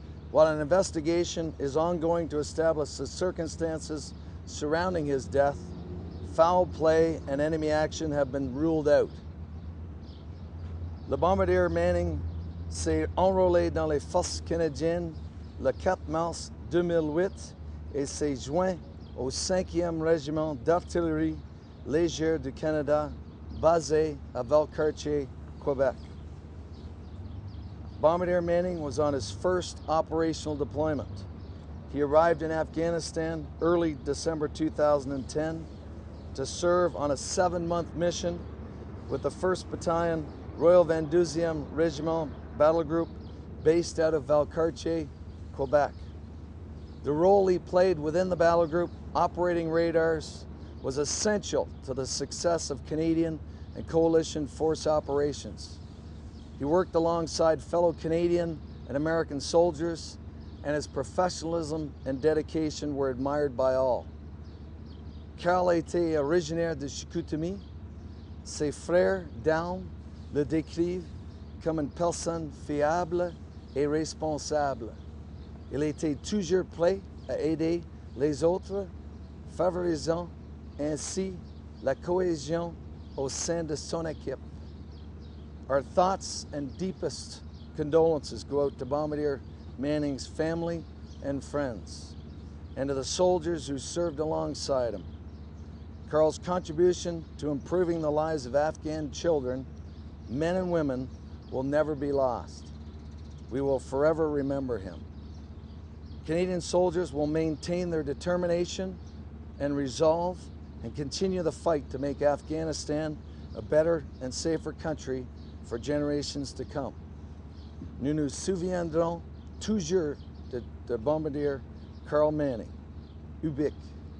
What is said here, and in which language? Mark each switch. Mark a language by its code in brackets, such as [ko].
[en] While an investigation is ongoing to establish the circumstances surrounding his death, foul play and enemy action have been ruled out. [fr] Le Bombardier Manning s'est enrôlé dans les forces canadiennes le 4 mars 2008 et s'est joint au 5e Régiment d'artillerie légère du Canada, basé à Valcartier, Quebec. [en] Bombardier Manning was on his first operational deployment. He arrived in Afghanistan early December 2010 to serve on a 7-month mission with the 1st Battalion, Royal Vendusium Regiment Battle Group, based out of Valcartier, Quebec. The role he played within the battle group, operating radars, was essential to the success of Canadian and coalition force operations. He worked alongside fellow Canadian and American soldiers, and his professionalism and dedication were admired by all. [fr] Karl était originaire de Chicoutimi. Ses frères d'armes le décrivent comme une personne fiable et responsable. Il était toujours prêt à aider les autres, favorisant ainsi la cohésion au sein de son équipe. [en] Our thoughts and deepest condolences go out to Bombardier Manning's family and friends, and to the soldiers who served alongside him. Karl's contribution to improving the lives of Afghan children, men and women, will never be lost. We will forever remember him. Canadian soldiers will maintain their determination and resolve and continue the fight to make Afghanistan a better and safer country for generations to come. [fr] Nous nous souviendrons toujours de Bombardier Karl Manning. Ubique.